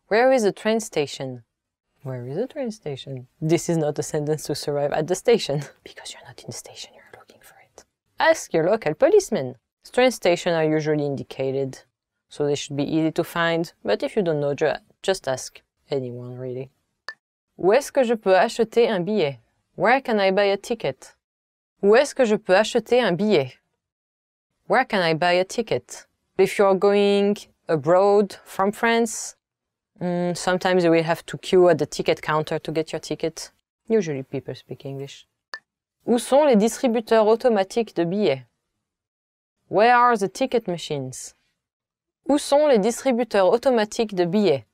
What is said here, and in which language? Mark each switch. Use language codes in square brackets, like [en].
[en] Where is the train station? Where is the train station? This is not a sentence to survive at the station. Because you're not in the station, you're looking for it. Ask your local policeman. Train stations are usually indicated, so they should be easy to find. But if you don't know, just ask anyone, really. [fr] Où est-ce que je peux acheter un billet? [en] Where can I buy a ticket? [fr] Où est-ce que je peux acheter un billet? [en] Where can I buy a ticket? If you're going abroad from France, sometimes you will have to queue at the ticket counter to get your ticket. Usually people speak English. [fr] Où sont les distributeurs automatiques de billets? [en] Where are the ticket machines? [fr] Où sont les distributeurs automatiques de billets?